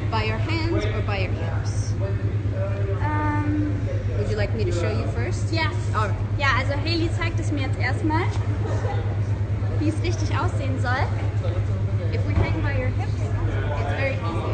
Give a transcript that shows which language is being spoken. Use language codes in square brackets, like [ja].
[en] By your hands or by your hips? Would you like me to show you first? Yes. All right. [de] Ja, also Haley zeigt es mir jetzt erstmal, wie es richtig aussehen soll. [en] If we hang by your hips, it's very easy.